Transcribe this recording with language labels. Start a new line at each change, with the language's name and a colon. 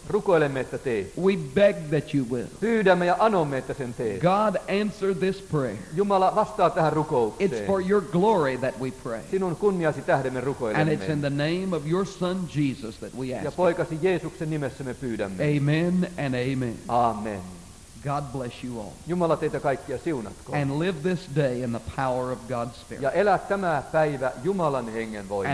Finnish: Rukoilemme, että tee.
English: We beg that you will.
Finnish: Pyydämme ja anomme, että sen tee.
English: God, answer this prayer.
Finnish: Jumala, vastaa tähän rukoukseen.
English: It's for your glory that we pray.
Finnish: Sinun kunniasi tähden me rukoilemme.
English: And it's in the name of your son Jesus that we ask.
Finnish: Ja poikasi Jeesuksen nimessä me pyydämme.
English: Amen and amen.
Finnish: Amen.
English: God bless you all.
Finnish: Jumala, teitä kaikkia siunatko.
English: And live this day in the power of God's Spirit.
Finnish: Ja elä tämä päivä Jumalan hengen voimassa.